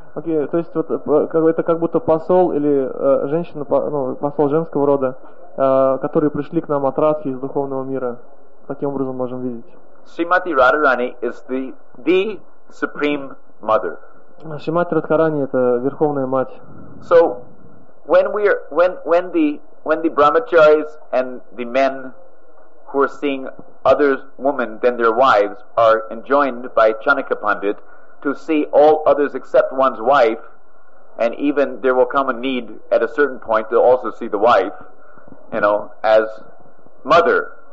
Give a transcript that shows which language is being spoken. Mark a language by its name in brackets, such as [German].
[Russian] Okay, то есть вот это как будто посол или женщина, ну, посол женского рода, которые пришли к нам от Радхи из духовного мира. Таким образом можем видеть. [English] Shrimati Radharani is the supreme mother. [Russian] Шримати Радхарани это верховная мать. [English] So when the brahmacharis and the men who are seeing other women than their wives are enjoined by Chanaka Pandit to see all others except one's wife, and even there will come a need at a certain point to also see the wife, you know, as mother.